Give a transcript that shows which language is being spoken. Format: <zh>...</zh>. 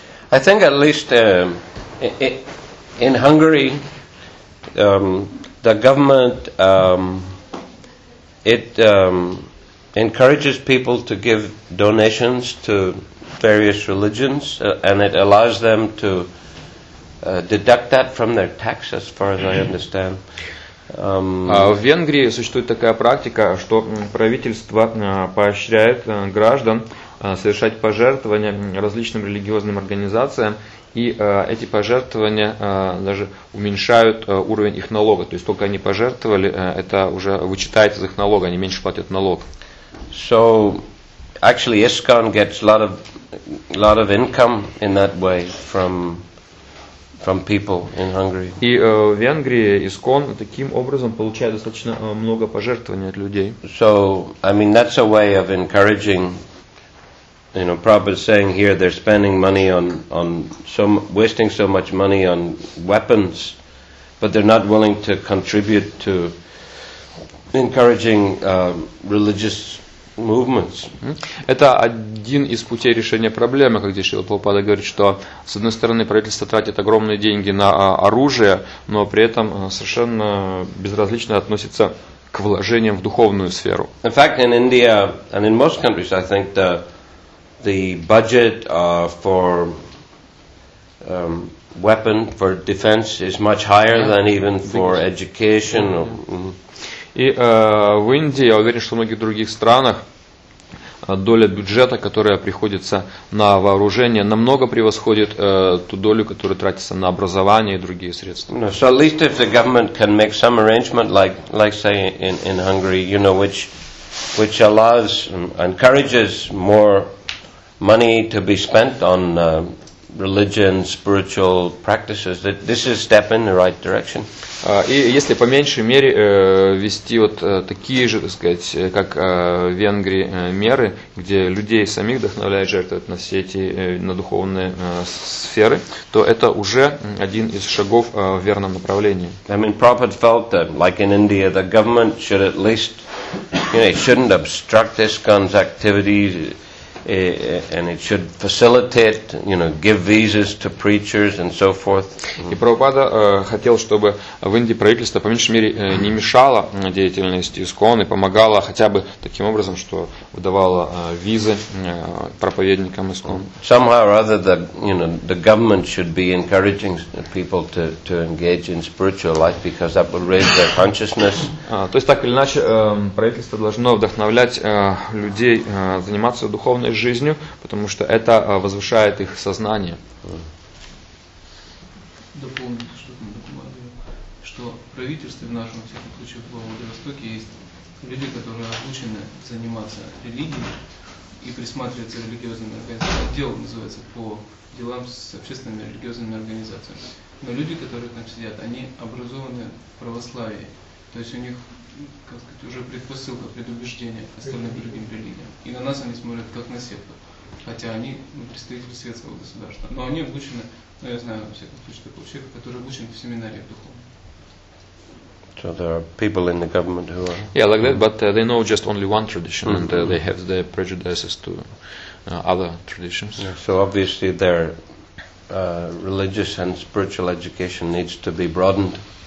<en>I think at least in Hungary, the government encourages people to give donations to various religions, and it allows them to deduct that from their tax, as far as I understand.</en> <ru>В Венгрии существует такая практика, что правительство поощряет граждан совершать пожертвования различным религиозным организациям, и эти пожертвования даже уменьшают уровень их налога. То есть сколько они пожертвовали, это уже вычитается из их налога, они меньше платят налог.</ru> <en>So, actually, ISKCON gets a lot of income in that way from people in Hungary.</en> <ru>И в Венгрии ИСКОН таким образом получает достаточно много пожертвований от людей.</ru> <en>So, I mean, that's a way of encouraging, you know, Prabhupada saying here they're spending money wasting so much money on weapons, but they're not willing to contribute to encouraging religious movements.</en> <ru>Это один из путей решения проблемы, как здесь Шрила Прабхупада говорит, что с одной стороны правительство тратит огромные деньги на оружие, но при этом совершенно безразлично относится к вложениям в духовную сферу.</ru> <en>In fact, in India and in most countries, I think the budget for weapon for defense is much higher than even for education.</en> <ru>И в Индии, я уверен, что в многих других странах доля бюджета, которая приходится на вооружение, намного превосходит ту долю, которая тратится на образование и другие средства.</ru> <en>No, so at least if the government can make some arrangement, like say in Hungary, you know, which allows, encourages more money to be spent on religion, spiritual practices, that this is a step in the right direction.</en> <ru>И если по меньшей мере вести вот такие же, так сказать, как в Венгрии меры, где людей самих вдохновляют жертвовать на все эти на духовные сферы, то это уже один из шагов в верном направлении.</ru> <en>I mean, Prabhupada felt that, like in India, the government should at least, you know, it shouldn't obstruct ISKCON's activities. And it should facilitate, you know, give visas to preachers and so forth.</en> <ru>И Прабхупада хотел, чтобы в Индии правительство по меньшей мере не мешало деятельности ИСКОН и помогало хотя бы таким образом, что выдавало визы проповедникам ИСКОН.</ru> <en>Somehow or other, the government should be encouraging people to engage in spiritual life, because that would raise their consciousness.</en> <ru>То есть так или иначе правительство должно вдохновлять людей заниматься духовной жизнью, потому что это возвышает их сознание. Дополнить, что там докладываю, что правительство в нашем всяком случае в Владивостоке есть люди, которые обучены заниматься религией и присматриваться религиозными организациями. Отдел называется по делам с общественными религиозными организациями. Но люди, которые там сидят, они образованы в православии. То есть у них, как сказать, уже предпосылка, предубеждение остальным другим религиям. И на нас они смотрят как на секту. Хотя они представители светского государства. Но они обучены, ну я знаю, во всяком случае, такого человека, который обучен в семинариях духовных.</ru> <en>So there are people in the government who are... Yeah, like that, but they know just only one tradition, mm-hmm. and they have their prejudices to other traditions. Yeah, so obviously their religious and spiritual education needs to be broadened.</en>